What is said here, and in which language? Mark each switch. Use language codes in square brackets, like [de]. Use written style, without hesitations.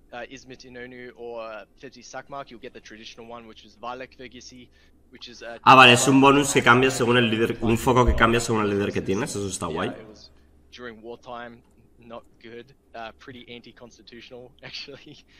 [en] Ismet Inonu o Fevzi Sakmak, you'll get the traditional one, which is Valek Vergisi, which is a... [es] Ah, vale, es un bonus que cambia según el líder, un foco que cambia según el líder que tienes, eso está guay. [en] During wartime, not good, pretty anti-constitutional, actually.